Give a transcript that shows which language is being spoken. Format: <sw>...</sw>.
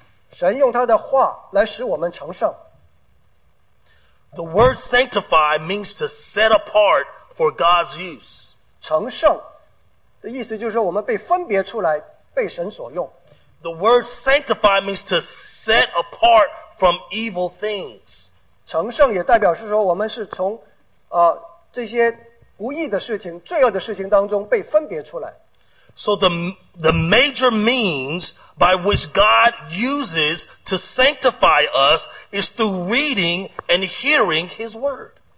<zh>神用他的话来使我们成圣。</zh> <en>The word sanctify means to set apart for God's use.</en> <zh>成圣的意思就是说我们被分别出来被神所用。</zh> <en>The word sanctify means to set apart from evil things.</en> <zh>成圣也代表是说我们是从 这些不义的事情,罪恶的事情当中被分别出来。</zh> <en>So the major means by which God uses to sanctify us is through reading and hearing His word.</en>